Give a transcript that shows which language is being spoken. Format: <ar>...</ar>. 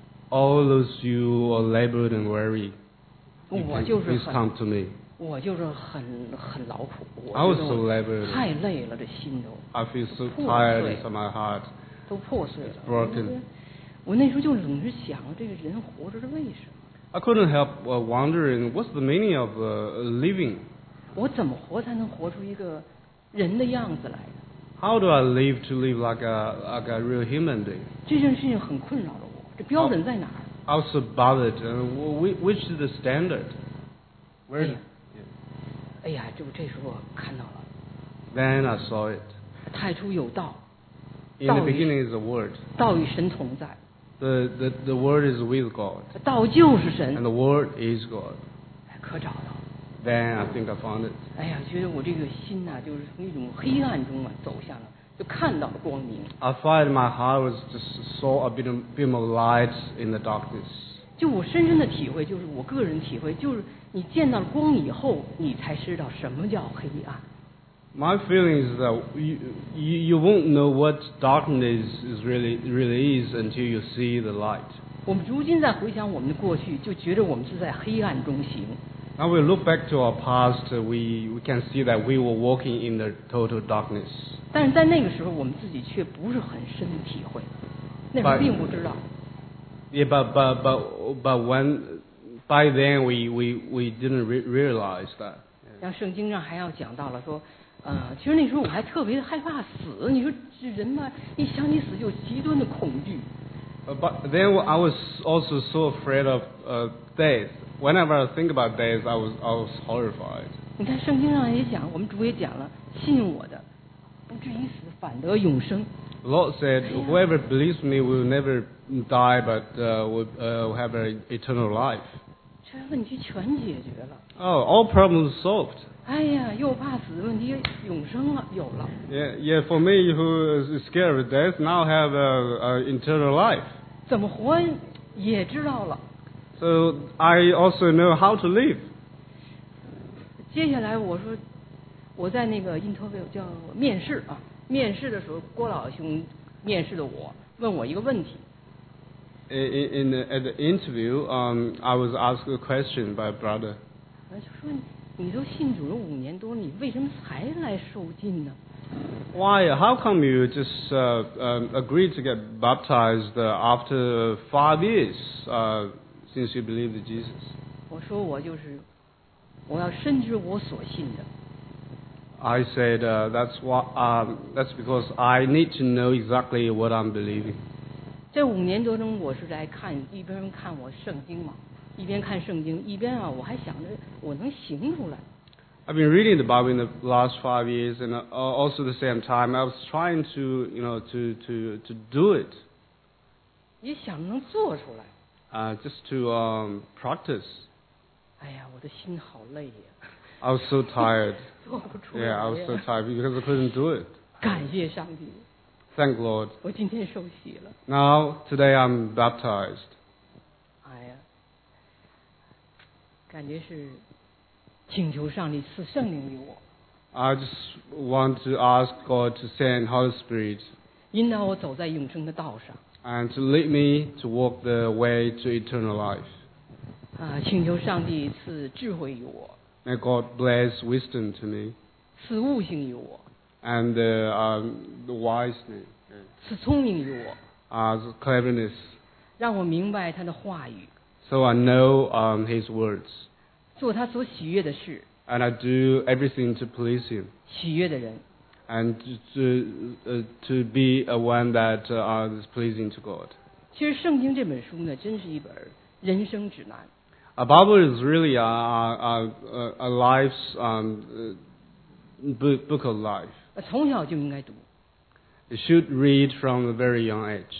<en>All those you are labored and weary, please come to me.</en> <zh>我就是很劳苦。</zh> <en>I was so labored.</en> <zh>太累了，这心都。</zh> <en>I feel so tired in my heart.</en> <zh>都破碎了。</zh> <en>Broken.</en> <zh>我那时候就总是想，这个人活着是为什么</zh> <en>？I couldn't help wondering what's the meaning of living.</en> <zh>我怎么活才能活出一个人的样子来呢</zh> <en>？How do I live to live like a real human being?</en> <zh>这件事情很困扰的。标准在哪儿</zh> <en>？I was so bothered. Which is the standard? Where?</en> <zh>哎呀，这时候看到了。</zh> <en>Then I saw it.</en> <zh>太初有道。</zh> <en>In the beginning is the word.</en> <zh>道与神同在。</zh> <en>The word is with God.</en> <zh>道就是神。</zh> <en>And the word is God.</en> <zh>可找到。</zh> <en>Then I think I found it.</en> <zh>哎呀，觉得我这个心呐，就是从一种黑暗中啊走向了。</zh> <en>I find my heart was just saw a beam of light in the darkness.</en> <zh>就我深深的体会，就是我个人体会，就是你见到了光以后，你才知道什么叫黑暗。</zh> <en>My feeling is that you won't know what darkness is really is until you see the light.</en> <zh>我们如今在回想我们的过去，就觉得我们是在黑暗中行。</zh> <en>Now we look back to our past, we can see that we were walking in the total darkness.</en> <zh>但是在那个时候，我们自己却不是很深的体会，那时候并不知道。</zh> <en>But by then we didn't realize that.</en> <zh>像圣经上还要讲到了说，其实那时候我还特别害怕死。你说这人嘛，一想起死就极端的恐惧。</zh> <en>But then I was also so afraid of death. Whenever I think about this, I was horrified.</en> <zh>你看圣经上也讲，我们主也讲了，信我的，不至于死，反得永生。</zh> <en>The Lord said, whoever believes me will never die, but will have an eternal life.</en> <zh>这问题全解决了。</zh> <en>Oh, all problems solved.</en> <zh>哎呀，又怕死，问题永生了，有了。</zh> <en>Yeah, for me who is scared of death, now have an eternal life.</en> <zh>怎么活也知道了。</zh> <en>So I also know how to live.</en> <zh>接下来我说，我在那个 interview 叫面试啊，面试的时候，郭老兄面试的我，问我一个问题。</zh> <en>At the interview, I was asked a question by a brother.</en> <zh>就说你。你都信主了五年多，你为什么才来受浸呢</zh> <en>？Why? How come you just agreed to get baptized after 5 years since you believed in Jesus?</en> <zh>我说我就是，我要深知我所信的。</zh> <en>I said that's because I need to know exactly what I'm believing.</en> <zh>这五年多中，我是来看一边看我圣经嘛。一边看圣经，一边啊，我还想着我能行出来。</zh> <en>I've been reading the Bible in the last 5 years, and also the same time, I was trying to, you know, to do it.</en> <zh>也想能做出来。</zh> <en>Just to practice.</en> <zh>哎呀，我的心好累呀。</zh> <en>I was so tired.</en> <zh>做不出来。</zh> <en>Yeah, I was so tired because I couldn't do it.</en> <zh>感谢上帝。</zh> <en>Thank Lord.</en> <zh>我今天受洗了。</zh> <en>Now today I'm baptized.</en> <zh>感觉是请求上帝赐圣灵于我。</zh> <en>I just want to ask God to send Holy Spirit.</en> <zh>引导我走在永生的道上。</zh> <en>And to lead me to walk the way to eternal life.</en> <zh>啊，请求上帝赐智慧于我。</zh> <en>May God bless wisdom to me.</en> <zh>赐悟性于我。</zh> <en>And the wisdom.</en> <zh>赐聪明于我。</zh> <en>The cleverness.</en> <zh>让我明白他的话语。</zh> <en>So I know his words.</en> <zh>做他所喜悦的事。</zh> <en>And I do everything to please him.</en> <zh>喜悦的人。</zh> <en>And to be a one that is pleasing to God.</en> <zh>其实圣经这本书呢，真是一本人生指南。</zh> <en>A Bible is really a life's book of life.</en> <zh>从小就应该读。</zh> <en>You should read from a very young age.</en>